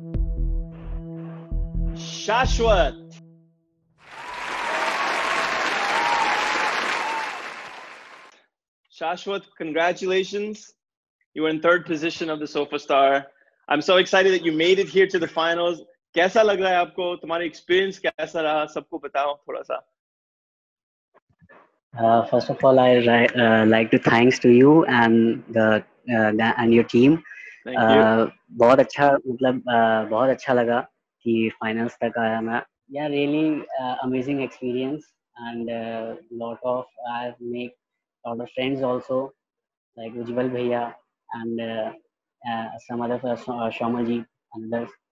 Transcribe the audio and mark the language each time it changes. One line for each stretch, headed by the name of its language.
English: Shashwat. Shashwat, congratulations. You were in third position of the Sofa Star. I'm so excited that you made it here to the finals.
Hindi: कैसा लग रहा है आपको? तुम्हारी experience कैसा रहा? सबको बताओ थोड़ा सा।
English: First of all, I like to thanks to you and the and your team. Thank you.
Hindi: Bahut acha, matlab bahut acha laga. The finals tak aaya main.
English: Yeah, really amazing experience, and I've made a lot of friends also, like Ujjwal Bhaiya and some other Shomalji and others.